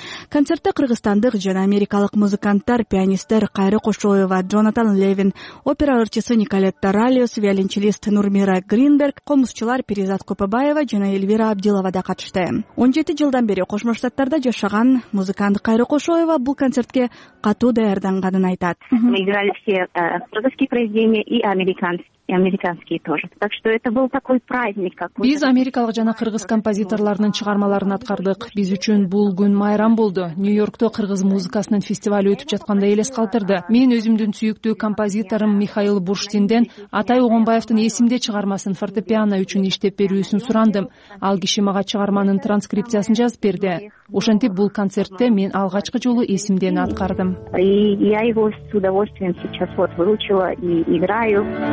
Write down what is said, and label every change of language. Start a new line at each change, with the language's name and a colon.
Kyrgyz: Концертте кыргызстандык жана америкалык музыканттар, пианисттер Кайры Кошоева, Джонатан Левин, опера ырчысы Николетта Ралиус, виолончелист Нурмира Гринберг, комузчулар Перизат Копобаева жана Эльвира Абдилова да катышты. 17 жылдан бери Кошмо Штаттарда жашаган музыкант Кайры Кошоева бул концертке катуу даярданганын айтат.
Russian: Мы играли все кыргызские произведения и американские тоже. Так что это был такой праздник какой-то.
Kyrgyz: Биз америкалык жана кыргыз композиторлорунун чыгармаларын аткардык. Биз үчүн бул күн майрам болду. Нью-Йоркто кыргыз музыкасынын фестивалы өтүп жаткандай элес калтырды. Мен өзүмдүн сүйүктүү композиторум Михаил Бурштинден Атай Огонбаевдин Эсимде чыгармасын фортепиано үчүн иштеп берүүсүн сурандым. Ал киши мага чыгарманын транскрипциясын жазып берди. Ошентип бул концертте мен алгачкы жолу Эсимдени аткардым.
Russian: Я его с удовольствием сейчас вот выучила и играю.